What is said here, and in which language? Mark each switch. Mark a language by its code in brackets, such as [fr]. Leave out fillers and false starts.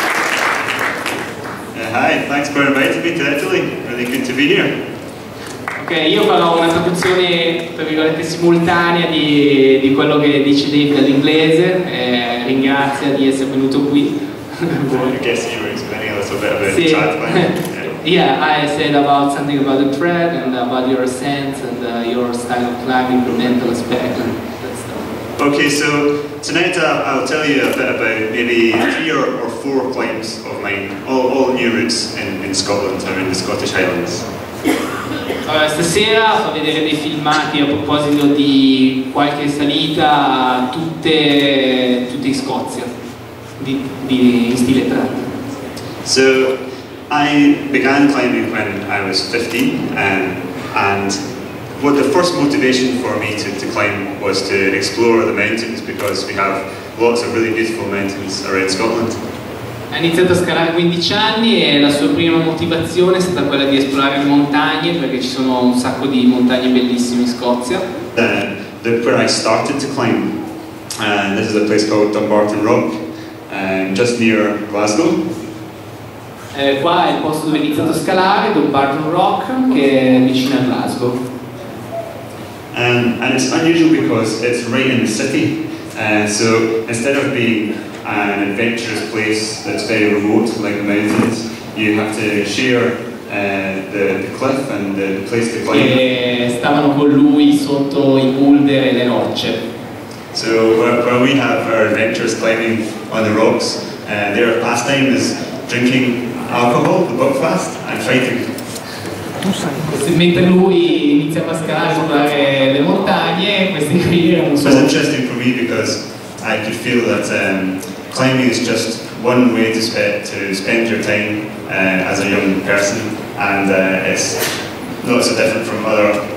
[en] Hi, thanks for inviting me to Italy. Really good to be here. [it] Ok, io farò una traduzione tra virgolette simultanea di quello che dice Dave dall'inglese. Ringrazia di essere venuto qui. [en] I guess you were explaining a little bit about the chat. Yeah, I said about something about the thread and about your ascent and your style of climbing, your mental aspect and that stuff. Okay, so tonight I'll tell you a bit about maybe three or four climbs of mine, all new routes in Scotland or in the Scottish Highlands. [it] Allora, stasera fa vedere dei filmati a proposito di qualche salita, tutte in Scozia, in stile tratto. [en] So, I began climbing when I was 15, and what the first motivation for me to climb was to explore the mountains, because we have lots of really beautiful mountains around Scotland. [it] Ha iniziato a scalare a 15 anni e la sua prima motivazione è stata quella di esplorare le montagne, perché ci sono un sacco di montagne bellissime in Scozia. [en] The where I started to climb, this is a place called Dumbarton Rock, just near Glasgow. [it] Qua è il posto dove ho iniziato a scalare, Dumbarton Rock, che è vicino a Glasgow. [en] And it's unusual because it's right in the city, so instead of being an adventurous place that's very remote, like the mountains, you have to share the cliff and the place to climb. [it] Che stavano con lui sotto i boulder e le rocce. [en] So where we have our adventurous climbing on the rocks, their pastime is drinking alcohol, the buckfast, and fighting. [it] Mentre lui iniziava a scalare le montagne, questi qui erano. [en] It was interesting for me because I could feel that climbing is just one way to spend your time as a young person, and it's not so different from other